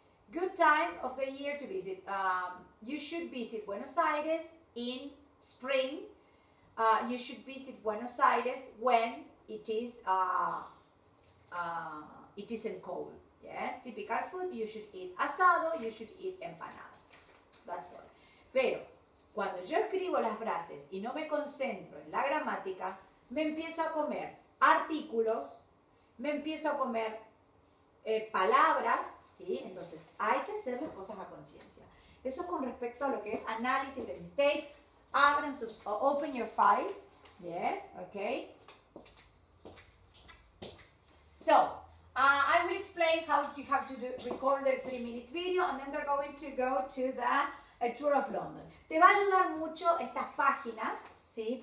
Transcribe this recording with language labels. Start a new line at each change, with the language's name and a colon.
English: Good time of the year to visit. You should visit Buenos Aires in spring. You should visit Buenos Aires when it isn't cold. Yes, typical food, you should eat asado, you should eat empanada. That's all.
Spanish: Pero, cuando yo escribo las frases y no me concentro en la gramática, me empiezo a comer artículos, me empiezo a comer palabras, ¿sí? Entonces, hay que hacer las cosas a conciencia. Eso con respecto a lo que es análisis de mistakes. Abren sus,
English: open your files. Yes, okay. So, I will explain how you have to do, record the 3 minutes video and then we're going to go to the tour of London.
Spanish: Te va a ayudar mucho estas páginas, ¿sí?